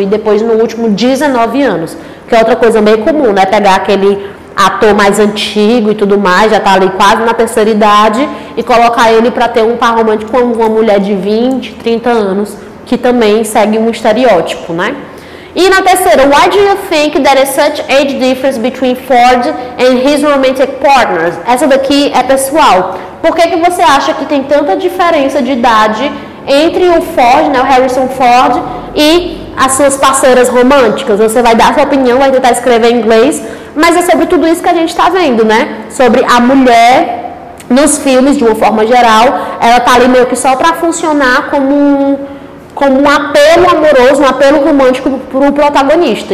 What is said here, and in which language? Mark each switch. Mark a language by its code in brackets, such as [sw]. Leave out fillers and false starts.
[pt] E depois no último, 19 anos. Que é outra coisa meio comum, né? Pegar aquele ator mais antigo e tudo mais, já tá ali quase na terceira idade, e colocar ele para ter um par romântico com uma mulher de 20, 30 anos, que também segue um estereótipo, né? E na terceira, [en] why do you think there is such age difference between Ford and his romantic partners? [pt] Essa daqui é pessoal. Por que que você acha que tem tanta diferença de idade entre o Ford, né, o Harrison Ford, e as suas parceiras românticas? Você vai dar sua opinião, vai tentar escrever em inglês, mas é sobre tudo isso que a gente está vendo, né? Sobre a mulher nos filmes, de uma forma geral, ela tá ali meio que só para funcionar como um apelo amoroso, um apelo romântico pro protagonista.